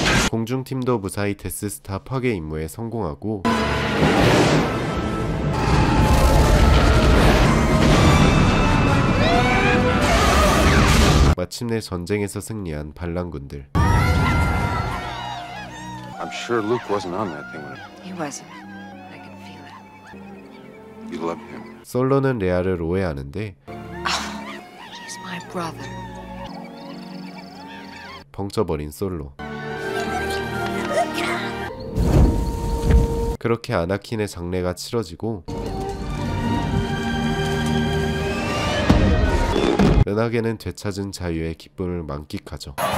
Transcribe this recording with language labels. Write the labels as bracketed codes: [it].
[ko] 공중팀도 무사히 데스스타 파괴 임무에 성공하고 마침내 전쟁에서 승리한 반란군들. [en] I'm sure Luke wasn't on that thing when it... He wasn't. I can feel it. You love him. [ko] 솔로는 레아를 오해하는데 [en] He's my brother. [ko] 벙쳐버린 솔로. 그렇게 아나킨의 장례가 치러지고 은하계는 되찾은 자유의 기쁨을 만끽하죠.